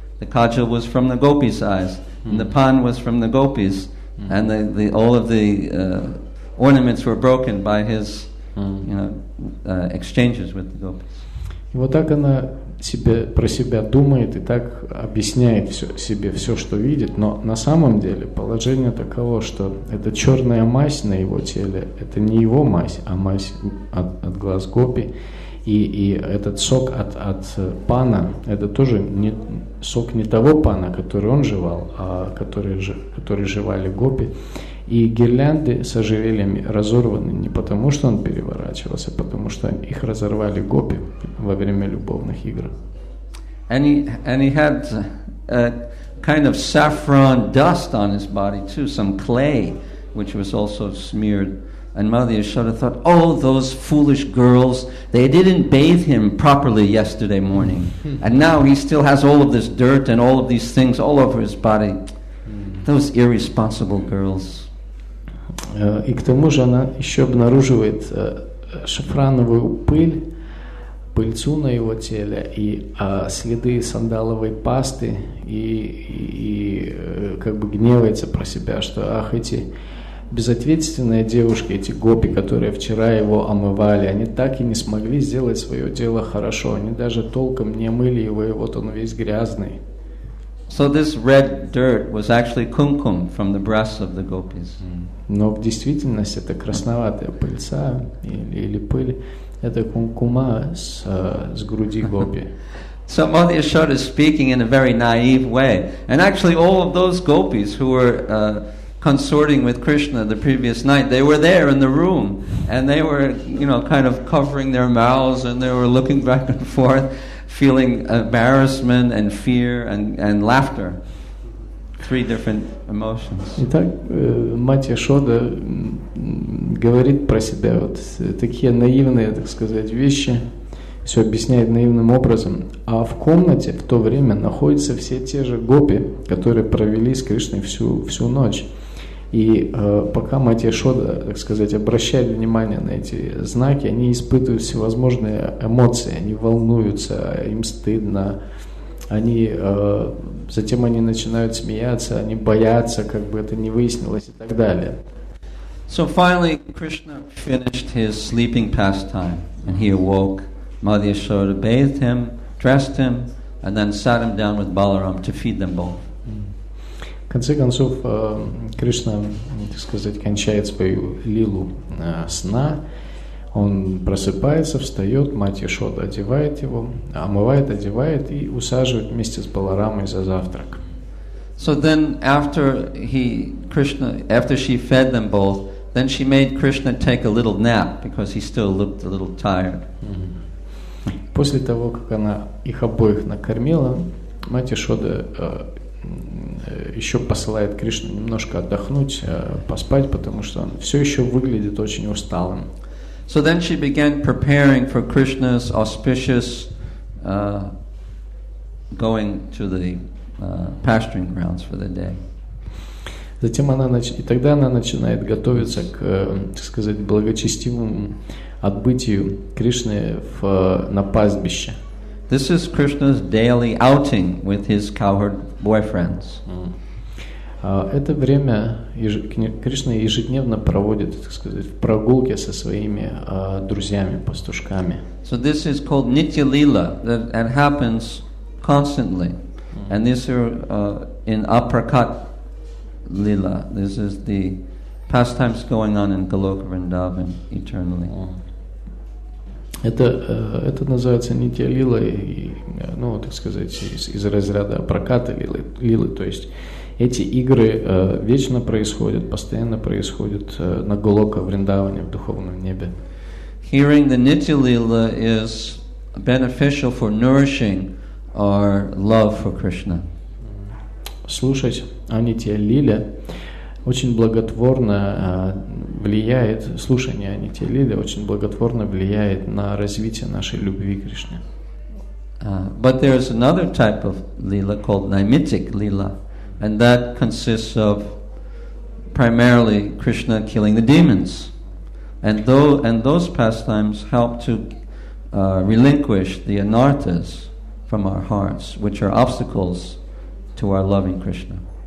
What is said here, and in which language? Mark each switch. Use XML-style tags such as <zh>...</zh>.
<en>The kajal was from the gopis' eyes, and the pan was from the gopis, and the all of the ornaments were broken by his exchanges with the gopis.</en> <ru>И вот так она себе про себя думает и так объясняет все, себе все, что видит, но на самом деле положение таково, что эта черная мазь на его теле, это не его мазь, а мазь от глаз гопи, и этот сок от пана, это тоже не сок не того пана, который он жевал, а который жевали гопи. И гирлянды с ожерельями разорваны не потому, что он переворачивался, а потому что их разорвали гопи во время любовных игр.</ru> <en>And he had a kind of saffron dust on his body too, some clay, which was also smeared. And Mother Yashoda thought, oh, those foolish girls, they didn't bathe him properly yesterday morning. And now he still has all of this dirt and all of these things all over his body. Those irresponsible girls.</en> <ru>И к тому же она еще обнаруживает шафрановую пыль, пыльцу на его теле и следы сандаловой пасты и как бы гневается про себя, что ах, эти безответственные девушки, эти гопи, которые вчера его омывали, они так и не смогли сделать свое дело хорошо, они даже толком не мыли его, и вот он весь грязный.</ru> <en>So this red dirt was actually kumkum from the breasts of the gopis.</en> <ru>Но в действительности это красноватая пыльца или пыль, это кумкума с груди гопи.</ru> <en>So Mother Yashoda is speaking in a very naive way, and actually all of those gopis who were consorting with Krishna the previous night, they were there in the room, and they were, you know, kind of covering their mouths, and they were looking back and forth, feeling embarrassment and fear and laughter. Three different emotions.</en> <ru>Итак, мать Яшода говорит про себя вот такие наивные, так сказать, вещи, все объясняет наивным образом. А в комнате в то время находятся все те же гопи, которые провели с Кришной всю ночь. И пока мать Яшода, так сказать, обращает внимание на эти знаки, они испытывают всевозможные эмоции, они волнуются, им стыдно, они затем они начинают смеяться, они боятся, как бы это не выяснилось и так далее.</ru> <en>So finally Krishna finished his sleeping pastime and he awoke. Mother Yashoda bathed him, dressed him, and then sat him down with Balaram to feed them both.</en> <ru>В конце концов, Кришна, так сказать, кончает свою лилу сна. Он просыпается, встает, мать Яшода одевает его, омывает, одевает и усаживает вместе с Баларамой за завтрак.</ru> <en>So then after after she fed them both, then she made Krishna take a little nap because he still looked a little tired.</en> <ru>После того, как она их обоих накормила, Мать Яшода еще посылает Кришну немножко отдохнуть, поспать, потому что он все еще выглядит очень усталым.</ru> <en>So then she began preparing for Krishna's auspicious going to the pasturing grounds for the day.</en> <ru>Затем она и тогда она начинает готовиться к, так сказать, благочестивому отбытию Кришны в на пастбище.</ru> <en>This is Krishna's daily outing with his cowherd boyfriends.</en> <ru>Это время Кришна ежедневно проводит, так сказать, в прогулке со своими друзьями, пастушками.</ru> <en>So this is called Nitya Lila, that happens constantly. Mm-hmm. And these are in Aprakat Lila. This is the pastimes going on in Goloka Vrindavan eternally.</en> <ru>Это называется Нитья Лила, ну, так сказать, из разряда Апраката Лилы, то есть эти игры вечно происходят, постоянно происходят на Голока Вриндаване в духовном небе.</ru> <en>Hearing the Nitya Lila is beneficial for nourishing our love for Krishna.</en> <ru>Слушать о Нитья Лиле очень благотворно влияет, слушание о Нитья Лиле очень благотворно влияет на развитие нашей любви к Кришне.</ru> <en>But there is another type of lila called Naimittic Lila. And that consists of primarily Krishna killing the demons, and those pastimes help to relinquish the anarthas from our hearts, which are obstacles to our loving Krishna.</en>